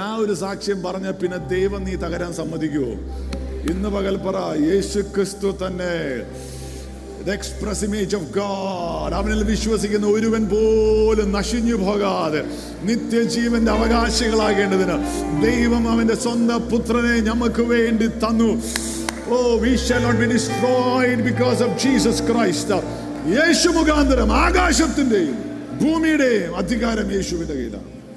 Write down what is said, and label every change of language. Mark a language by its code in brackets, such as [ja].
[ml] ആ ഒരു സാക്ഷ്യം പറഞ്ഞ പിന്നെ ദൈവം നീ തകരാൻ സമ്മതിക്കൂ. ഇന്ന് പകൽ പറ, യേശു ക്രിസ്തു തന്നെ, [en] the express image of God, [ml] അവനിൽ വിശ്വസിക്കുന്ന ഒരുവൻ പോലും നശിഞ്ഞു പോകാതെ നിത്യജീവന്റെ അവകാശികളാകേണ്ടതിന് ദൈവം അവന്റെ സ്വന്തം പുത്രനെ നമുക്ക് വേണ്ടി തന്നു. [en] Oh, we shall not be destroyed because of Jesus Christ. [ml] യേശു മുഖാന്തരം ആകാശത്തിന്റെയും ഭൂമിയുടെയും അധികാരം യേശുവിന്റെ കയ്യിലാണ്.